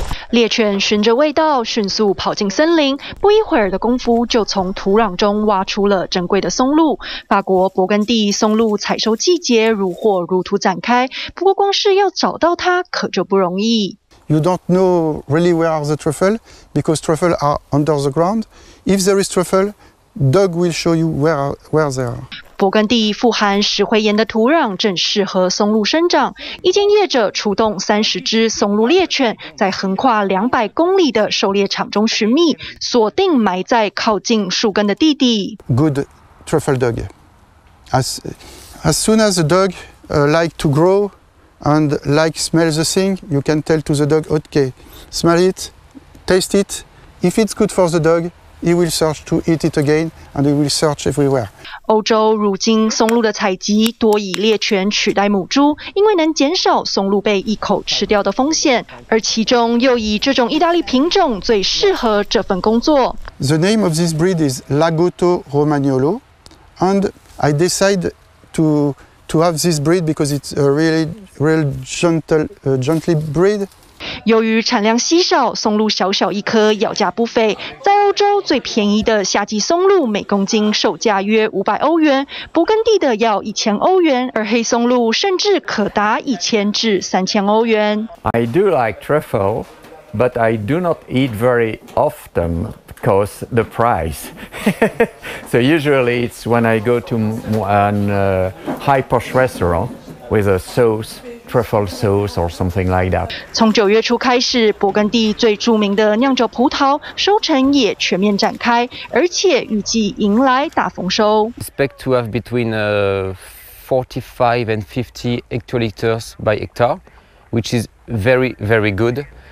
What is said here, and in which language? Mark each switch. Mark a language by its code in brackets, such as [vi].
[zh] 猎犬循着味道迅速跑进森林，不一会儿的功夫就从土壤中挖出了珍贵的松露。法国勃艮第松露采收季节如火如荼展开，不过光是要找到它可就不容易。 [en] You don't know really where are the truffle because truffle are under the ground. If there is truffle, Doug will show you where they are. [zh] 勃艮第富含石灰岩的土壤正适合松露生长，一间业者出动30只松露猎犬，在横跨200公里的狩猎场中寻觅，锁定埋在靠近树根的弟弟。 [en] Good truffle dog. As soon as the dog like to grow and like smell the thing, you can tell to the dog, okay, smell it, taste it. If it's good for the dog. He will search to eat it again, and he will search everywhere. [zh] 欧洲如今松露的采集多以猎犬取代母猪，因为能减少松露被一口吃掉的风险，而其中又以这种意大利品种最适合这份工作。 [en] The name of this breed is Lagotto Romagnolo, and I decide to to have this breed because it's a really, really gentle, gently breed. [zh] 由于产量稀少，松露小小一颗，要价不菲。在欧洲最便宜的夏季松露每公斤售价约500欧元，勃艮第的要1000欧元，而黑松露甚至可达1000至3000欧元。 [en] I do like truffle, but I do not eat very often. Because the price. So usually it's when I go to an high posh restaurant with a sauce. Truffle sauce or something like that. [zh] 从九月初开始，勃艮第最著名的酿酒葡萄收成也全面展开，而且预计迎来大丰收。 [en] Expect to have between 45 and 50 hectoliters by hectare, which is very, very good.